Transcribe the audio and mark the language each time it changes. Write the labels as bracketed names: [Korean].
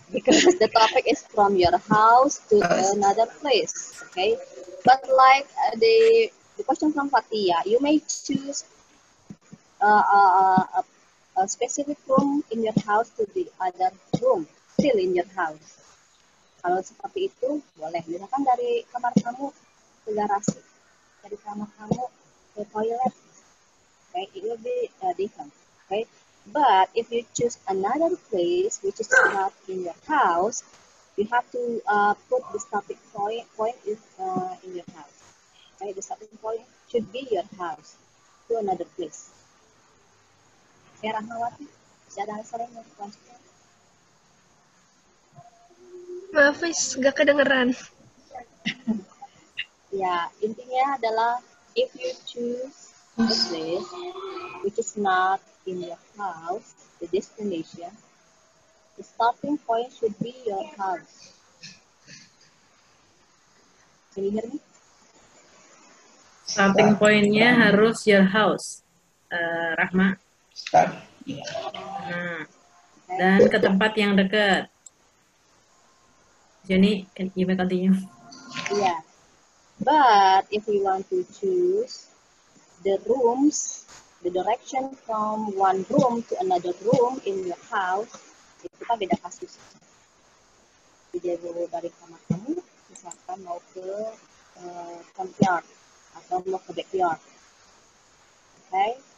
[English] Because the topic is from your house to another place, okay? But like the question from Fatia, you may choose a specific room in your house to the other room, still in your house. [Indonesian] Kalau seperti itu, boleh. Misalkan dari kamar kamu ke garasi, dari kamar kamu ke toilet, okay? [English] It will be different, okay? But if you choose another place which is not in your house, you have to put the stopping point in your house. Okay, the stopping point should be your house to another place. [Indonesian] Saya Rahmawati, bisa ada sering yang question? Maaf, Miss, gak kedengeran. Ya, intinya adalah [English] if you choose a place which is not in your house, the destination, the stopping point should be your house. Can you hear me? Stopping point-nya [Indonesian] harus [English] your house, Rahma. Start. [Indonesian] Nah, dan ke tempat yang dekat. [English] Jenny, can you may continue? Yeah. But if you want to choose the rooms, the direction from one room to another room in your house, [Indonesian] itu kan beda kasus. Jadi dari kamar kamu, misalkan mau ke front yard atau mau ke backyard, okay?